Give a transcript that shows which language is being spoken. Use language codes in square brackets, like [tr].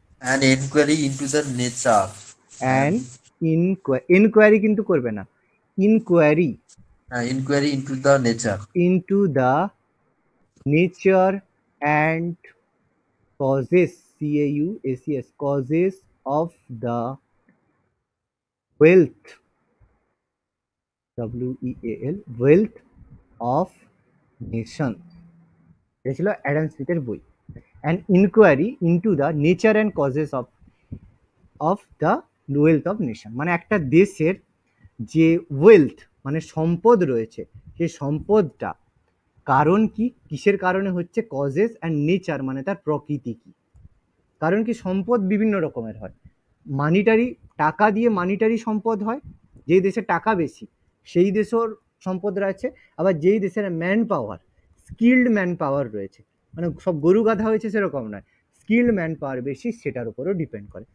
[en] An inquiry into the nature. An inquiry [bn] কিন্তু করবে না, [en] inquiry. Inquiry into the nature. Into the nature and causes, causes, causes of the wealth, weal, wealth of nation. [bn] এটা ছিল Adam স্মিথের বই। [en] An inquiry into the nature and causes of the wealth of nation. [bn] মানে একটা দেশের যে wealth, মানে সম্পদ রয়েছে, সেই সম্পদটা কারণ কি, কিসের কারণে হচ্ছে, [en] causes and nature [bn] মানে তার প্রকৃতি কি। কারণ কি, সম্পদ বিভিন্ন রকমের হয়, মানিটারি, টাকা দিয়ে মানিটারি সম্পদ হয়, যেই দেশে টাকা বেশি সেই দেশের সম্পদ রয়েছে, আবার যেই দেশের man power, skilled man power রয়েছে, মানে সব গরু গাধা হয়েছে সেরকম নয়, স্কিল্ড ম্যান পাওয়ার বেশি, সেটার উপরেও ডিপেন্ড করে।